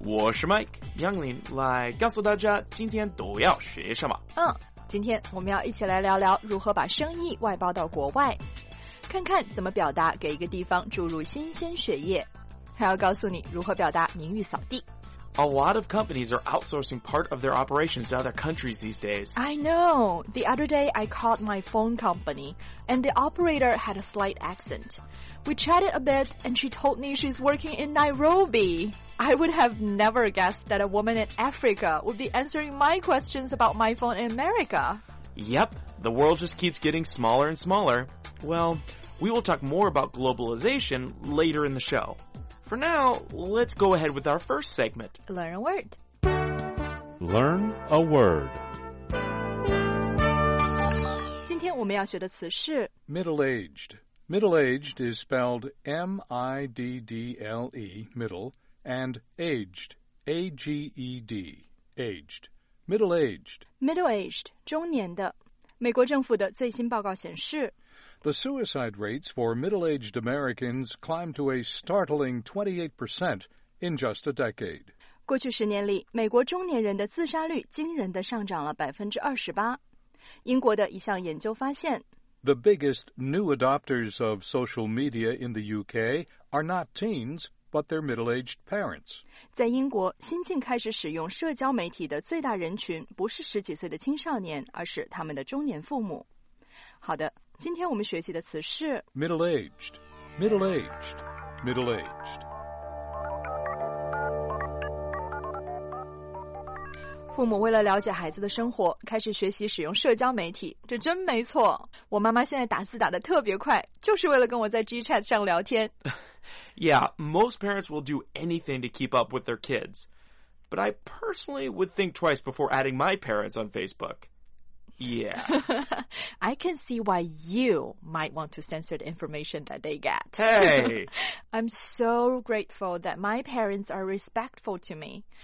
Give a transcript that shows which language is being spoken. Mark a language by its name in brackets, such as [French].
[Chinese] 我是 Mike。杨林，来告诉大家今天都要学什么。今天我们要一起来聊聊如何把生意外包到国外，看看怎么表达给一个地方注入新鲜血液，还要告诉你如何表达名誉扫地。 [English] A lot of companies are outsourcing part of their operations to other countries these days. I know. The other day, I called my phone company, and the operator had a slight accent. We chatted a bit, and she told me she's working in Nairobi. I would have never guessed that a woman in Africa would be answering my questions about my phone in America. Yep, the world just keeps getting smaller and smaller. Well, we will talk more about globalization later in the show. For now, let's go ahead with our first segment. Learn a word. Learn a word. [Chinese] 今天我们要学的词是 [English] middle-aged. Middle-aged is spelled M-I-D-D-L-E, middle, and aged, A-G-E-D, aged. Middle-aged. [Chinese] Middle-aged, 中年的。美国政府的最新报告显示 [English] The suicide rates for middle-aged Americans climbed to a startling 28% in just a decade. [Chinese] 过去十年里，美国中年人的自杀率惊人地上涨了28%。英国的一项研究发现 [English] The biggest new adopters of social media in the UK are not teens, but their middle-aged parents. [Chinese] 在英国，新近开始使用社交媒体的最大人群不是十几岁的青少年，而是他们的中年父母。好的，今天我们学习的词是 [English] middle-aged, middle-aged, middle-aged. [Chinese] 父母为了了解孩子的生活，开始学习使用社交媒体，这真没错。我妈妈现在打字打得特别快，就是为了跟我在 GChat 上聊天。 [English] Yeah, most parents will do anything to keep up with their kids. But I personally would think twice before adding my parents on Facebook. Yeah. I can see why you might want to censor the information that they get. Hey! I'm so grateful that my parents are respectful to me.